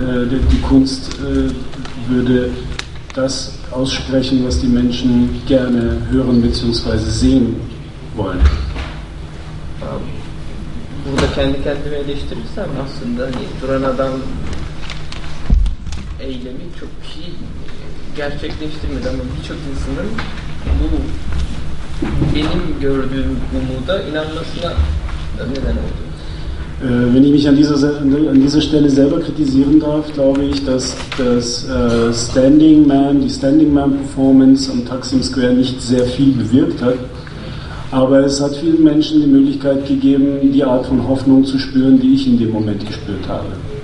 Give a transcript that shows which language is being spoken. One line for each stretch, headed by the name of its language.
German: Die Kunst würde das aussprechen, was die Menschen gerne hören bzw. sehen wollen.
Turkish: Burada kendi kendime eleştirirsem aslında hani duran adam eylemi çok kişi gerçekleştirmedi ama birçok insanın bu benim gördüğüm umuda inanmasına neden oldu.
German: Wenn ich mich an dieser Stelle selber kritisieren darf, glaube ich, dass das Standing Man, die Standing Man Performance am Taksim Square nicht sehr viel bewirkt hat. Aber es hat vielen Menschen die Möglichkeit gegeben, die Art von Hoffnung zu spüren, die ich in dem Moment gespürt habe.